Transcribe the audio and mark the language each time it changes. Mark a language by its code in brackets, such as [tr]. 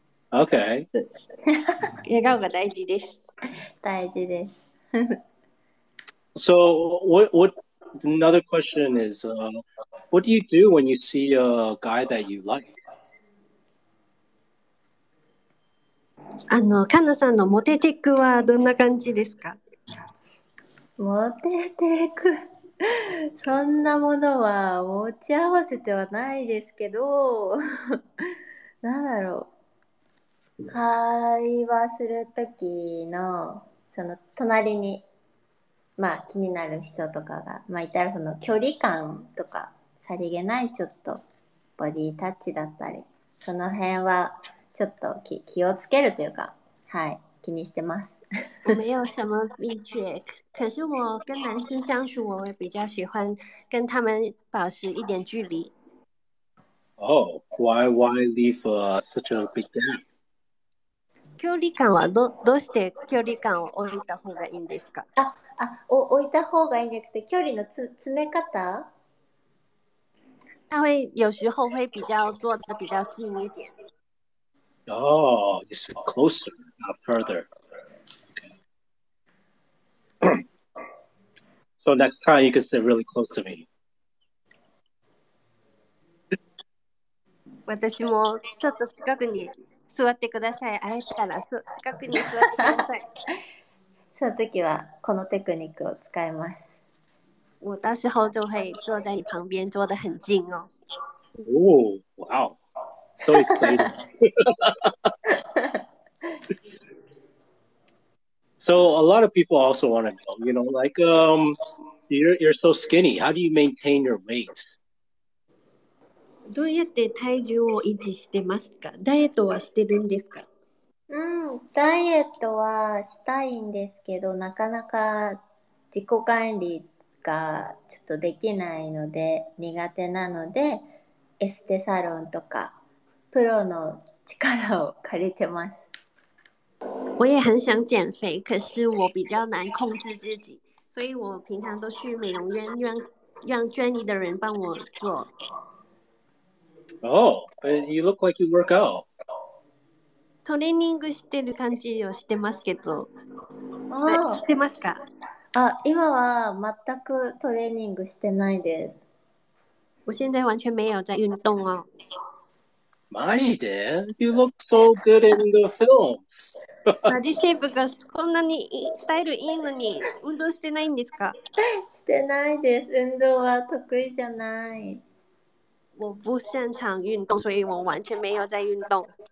[en] Okay. [ja] 笑顔が大事です。大事です。 [en] So what? Another question is, what do you do when you see a guy that you like? [ja] あの、カナさんのモテテックはどんな感じですか？モテテック、そんなものは持ち合わせてはないですけど、なんだろう、会話するときの、その隣に、まあ気になる人とかが、まあいたらその距離感とか、さりげないちょっとボディタッチだったり、その辺はちょっと気をつけるというか、はい、気にしてます。 [zh] 我没有什么秘诀，可是我跟男生相处，我也比较喜欢跟他们保持一点距离。 [en] Oh, why leave such a big gap? [ja] 距离感はどうして距離感を置いた方がいいんですか？あ、置いた方がいいんじゃなくて、距離の詰め方？ [zh] 他会有时候会比较坐的比较近一点。 [en] Oh, it's closer, not further. So next time you can sit really close to me. [ja] 私もちょっと近くに座ってください。会えたら近くに座ってくださいその時はこのテクニックを使います。 [zh] 我到时候就会坐在你旁边，坐得很近哦。 [en] Oh, wow. So exciting. So a lot of people also want to know, you know, like, you're so skinny. How do you maintain your weight? [ja] どうやって体重を維持してますか？ダイエットはしてるんですか？ダイエットはしたいんですけど、なかなか自己管理がちょっとできないので苦手なので、エステサロンとかプロの力を借りてます。 [zh] 我也很想减肥，可是我比较难控制自己，所以我平常都去美容院让专业的人帮我做。 [en] Oh, you look like you work out。 [ja] トレーニングしてる感じをしてますけど、してますか？あ、今は全くトレーニングしてないです。 [zh] 我现在完全没有在运动哦。 [ja] マジで？ [en] You look so good in the films. [ja] バディシェイプがこんなにスタイルいいのに運動してないんですか？してないです。運動は得意じゃない。 [zh] 我不擅长运动，所以我完全没有在运动。